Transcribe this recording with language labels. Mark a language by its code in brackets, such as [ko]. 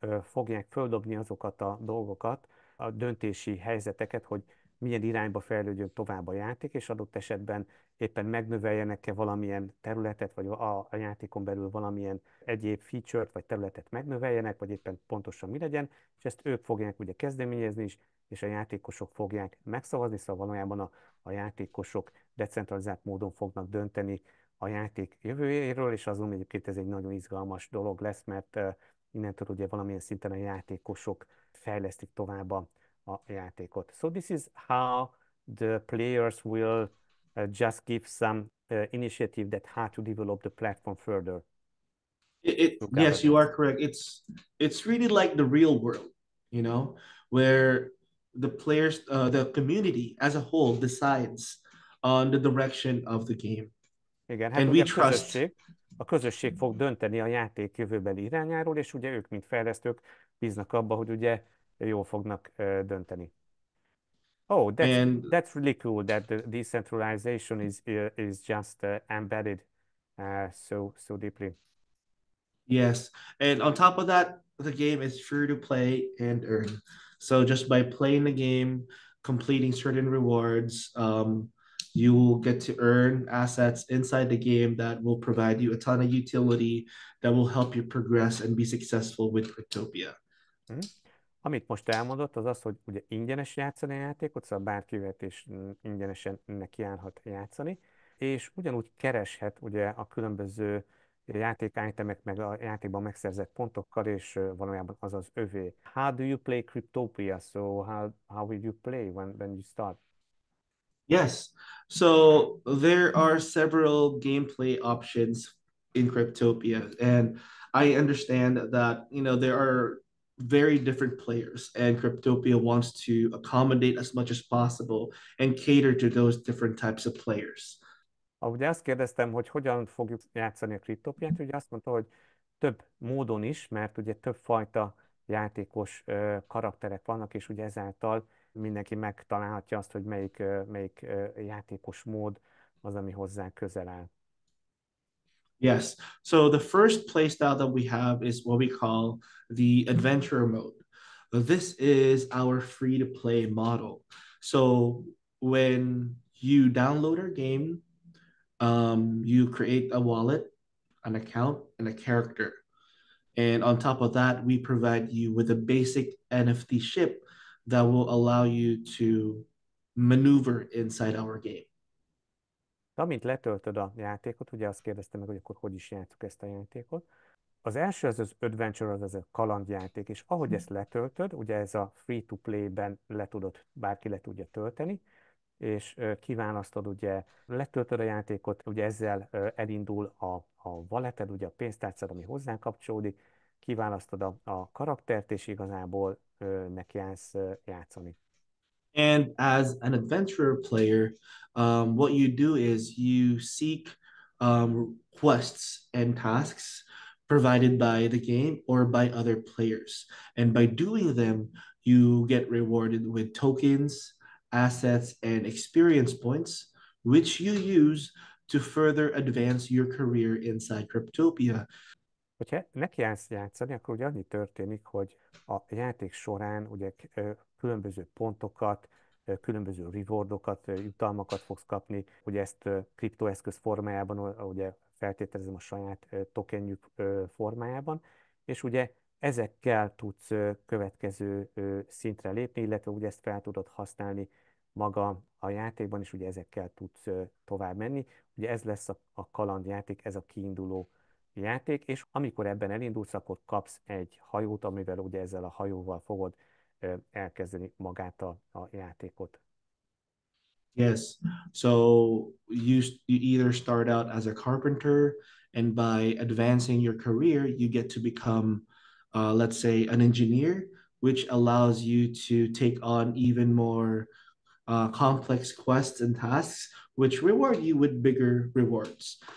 [hu] fogják földobni azokat a dolgokat, a döntési helyzeteket, hogy milyen irányba fejlődjön tovább a játék, és adott esetben éppen megnöveljenek-e valamilyen területet, vagy a játékon belül valamilyen egyéb feature-t vagy területet megnöveljenek, vagy éppen pontosan mi legyen, és ezt ők fogják ugye kezdeményezni is, és a játékosok fogják megszavazni, szóval valójában a játékosok decentralizált módon fognak dönteni a játék jövőjéről, és azon egyébként ez egy nagyon izgalmas dolog lesz, mert innentől ugye valamilyen szinten a játékosok fejlesztik tovább a játékot. [en] So this is how the players will just give some initiative that how to develop the platform further. Yes, you are correct. It's really like the real world, you know, where the players, the community as a whole decides on the direction of the game. [hu] Igen, hát [en] and we trust. [hu] A közösség fog dönteni a játék jövőbeli irányáról, és ugye ők, mint fejlesztők, bíznak abba, hogy ugye jól fognak dönteni. [en] Oh, that's really cool that the decentralization is just embedded so deeply. Yes, and on top of that, the game is free to play and earn. So just by playing the game, completing certain rewards, you will get to earn assets inside the game that will provide you a ton of utility that will help you progress and be successful with Cryptopia. Mm-hmm. [hu] Amit most elmondott, az az, hogy ugye ingyenes játszani a játékot, szóval bárki jöhet és ingyenesen nekiállhat játszani, és ugyanúgy kereshet ugye a különböző játék itemek meg a játékban megszerzett pontokkal, és valójában az az övé. [en] How do you play Cryptopia? So how will you play when you start? Yes, so there are several gameplay options in Cryptopia, and I understand that, you know, there are very different players, and Cryptopia wants to accommodate as much as possible and cater to those different types of players. [hu] Ugye azt kérdeztem, hogy hogyan fogjuk játszani a Cryptopiát, ugye azt mondta, hogy több módon is, mert ugye több fajta játékos karakterek vannak, és ugye ezáltal mindenki megtalálhatja azt, hogy melyik játékos mód az, ami hozzá közel áll. [en] Yes. So the first playstyle that we have is what we call the adventurer mode. This is our free-to-play model. So when you download our game, you create a wallet, an account, and a character. And on top of that, we provide you with a basic NFT ship that will allow you to maneuver inside our game. [hu] Amint letöltöd a játékot, ugye azt kérdezte meg, hogy akkor hogy is játszuk ezt a játékot. Az első az az adventure, az a kalandjáték, és ahogy ezt letöltöd, ugye ez a free-to-play-ben bárki le tudja tölteni, és kiválasztod, ugye letöltöd a játékot, ugye ezzel elindul a walleted, ugye a pénztárcad, ami hozzá kapcsolódik, kiválasztod a karaktert, és igazából nekiállsz játszani. [en] And as an adventurer player, what you do is you seek quests and tasks provided by the game or by other players. And by doing them, you get rewarded with tokens, assets, and experience points, which you use to further advance your career inside Cryptopia. [hu] Hogyha nekiállsz játszani, akkor ugye annyi történik, hogy a játék során ugye különböző pontokat, különböző rewardokat, jutalmakat fogsz kapni, hogy ezt kriptoeszköz formájában, ugye feltételezem a saját tokenjük formájában, és ugye ezekkel tudsz következő szintre lépni, illetve ugye ezt fel tudod használni maga a játékban, és ugye ezekkel tudsz tovább menni. Ugye ez lesz a kalandjáték, ez a kiinduló játék, és amikor ebben elindulsz, akkor kapsz egy hajót, amivel ugye ezzel a hajóval fogod elkezdeni magát a játékot. [en] Yes, so you either start out as a carpenter, and by advancing your career, you get to become, let's say, an engineer, which allows you to take on even more complex quests and tasks, which reward you with bigger rewards.